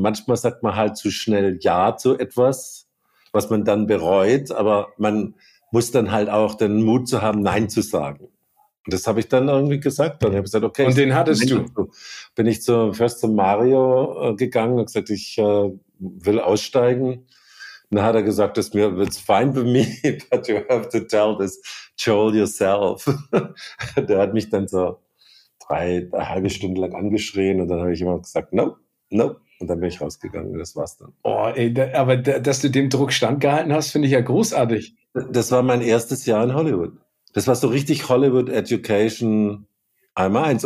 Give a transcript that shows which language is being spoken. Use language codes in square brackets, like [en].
[de] Manchmal sagt man halt zu schnell Ja zu etwas, was man dann bereut, aber man muss dann halt auch den Mut zu haben, Nein zu sagen. Und das habe ich dann irgendwie gesagt. Und ich habe gesagt, okay. Und den hattest du? Bin ich zum Mario gegangen und gesagt, ich will aussteigen. Dann hat er gesagt, dass mir, [en] it's fine with me, but you have to tell this Joel yourself. [de] Der hat mich dann so eine halbe Stunde lang angeschrien, und dann habe ich immer gesagt, nope. Und dann bin ich rausgegangen, und das war's dann. Oh, ey, dass du dem Druck standgehalten hast, finde ich ja großartig. Das war mein erstes Jahr in Hollywood. Das war so richtig Hollywood Education 1x1.